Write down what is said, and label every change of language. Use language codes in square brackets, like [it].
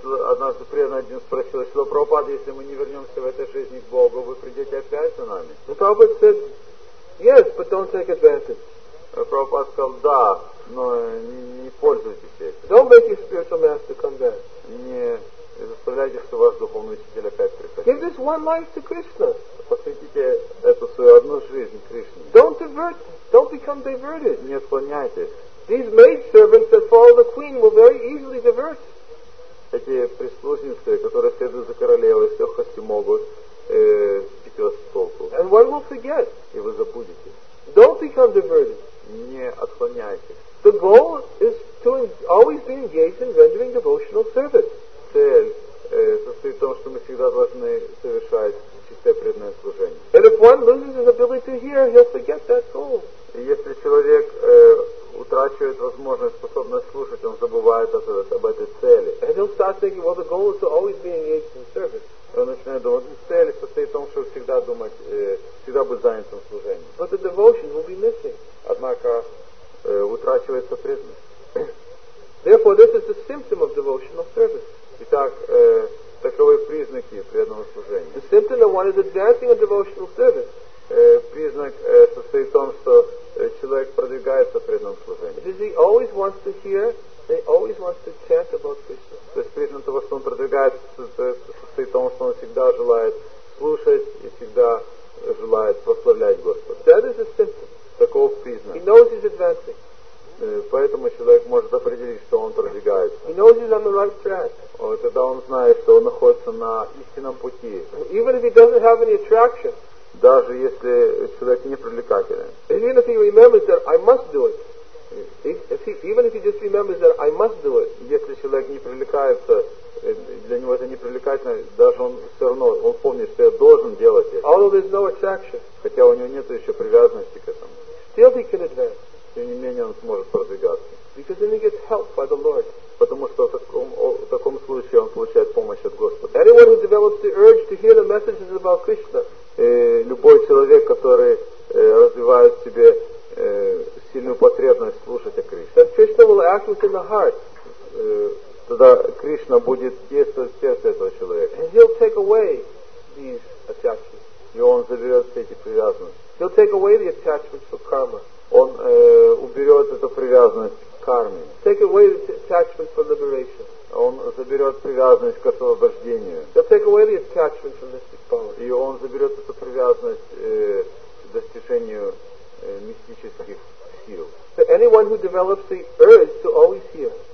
[ru] Однажды преданный один спросил, что Прабхупада, если мы не вернемся в этой жизни к Богу, вы придете опять за нами? [en] And Prabhupada said, yes, but don't take advantage. [ru] Прабхупада сказал, да, но не пользуйтесь этим. [en] Don't make your spiritual master come back. [ru] Не заставляйте, что ваш духовный учитель опять приходит. [en] Give this one life to Krishna. [ru] Посвятите эту свою одну жизнь Кришне. [en] Don't divert, don't become diverted. [ru] Не отклоняйтесь. [en] These maid servants that follow the queen will very easily divert. [ru] Эти прислужницы, которые следуют за королевой, все хоть и могут пить вас в толку. [en] And what will forget? [ru] И вы забудете. [en] Don't become diverted. [ru] Не отклоняйтесь. [en] The goal is to always be engaged in rendering devotional service. [ru] Цель состоит в том, что мы всегда должны совершать чистое преданное служение. [en] And if one loses his ability to hear, he'll forget that goal. [ru] И если человек утрачивает возможность, способность слушать, он забывает об этой цели. [en] And he'll start thinking, well, the goal is to always be engaged in service. [ru] Он начинает думать, цель состоит в том, чтобы всегда думать, всегда быть занятым служением. [en] But the devotion will be missing. [ru] Однако утрачивается преданность. [en] Therefore, this is the symptom of devotional service. [ru] Итак, таковы признаки преданного служения. [en] The symptom of one is advancing a devotional service. [ru] Признак состоит в том, что человек продвигается в преданном служении. [en] Does he always wants to hear? He always wants to chant about Krishna. [ru] То есть признак того, что он продвигается, состоит в том, что он всегда желает слушать и всегда желает прославлять Господа. [en] That is a symptom. [ru] Такого признака. [en] He knows he's advancing. [ru] Поэтому человек может определить, что он продвигается. [en] He knows he's on the right track. [ru] Тогда он знает, что он находится на истинном пути. [en] Even if he doesn't have any attraction. [ru] Даже если человек не привлекателен. [en] Even if he remembers that I must do it. If he just remembers that I must do it. [ru] Если человек не привлекается, для него это не привлекательно, даже он все равно, он помнит, что я должен делать это. [en] Although there's no attraction. [ru] Хотя у него нет еще привязанности к этому. [en] Still he can advance. [ru] Тем не менее, он сможет продвигаться. [en] Because then he gets help by the Lord. [ru] Потому что в таком случае он получает помощь от Господа. [en] Anyone who develops the urge to hear the messages about Krishna. [ru] Любой человек, который развивает в себе сильную потребность слушать о Кришне. [en] That Krishna will act within the heart. [ru] Тогда Кришна будет действовать в сердце этого человека. [en] And he'll take away these attachments. [ru] И он заберет все эти привязанности. [en] He'll take away the attachments for karma. [ru] Он уберет эту привязанность к карме. [en] Take away the attachment for liberation. [ru] Он заберет привязанность к освобождению. [en] He'll take away the attachment for mystic power. [ru] И он заберет эту привязанность к достижению мистических сил. [en] So anyone who develops the urge to always hear.